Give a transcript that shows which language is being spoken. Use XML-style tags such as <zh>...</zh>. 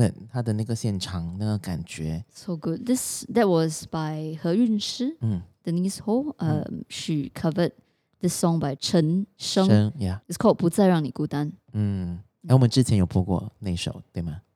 <zh>他的那个现场那个感觉</zh> <en>So good. This, that was by 何韵诗、Denise Ho、She coveredThis song by 陈升 yeah. It's called 不再让你孤单。</en> <zh>我们之前有播过那首，对吗？</zh>